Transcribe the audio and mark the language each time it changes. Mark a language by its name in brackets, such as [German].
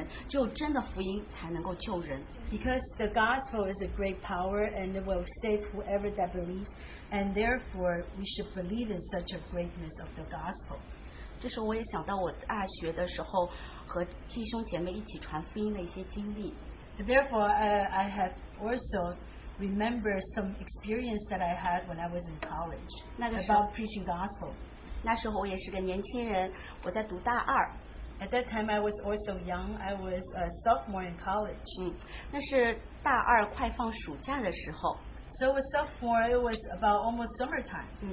[Chinese] 因为福音本是一切的大能，要救一切相信的人，只有真的福音才能够救人。 [English] Because the gospel is a great power and it will save whoever that believes, and therefore we should believe in such a greatness of the gospel. [Chinese] 这时候我也想到我大学的时候和弟兄姐妹一起传福音的一些经历。 [English] Therefore, I have also remembered some experience that I had when I was in college about preaching gospel. [Chinese] 那时候我也是个年轻人，我在读大二。 [English] At that time, I was also young. I was a sophomore in college. [Chinese] 那是大二快放暑假的时候。 [English] So it was sophomore, it was about almost summertime.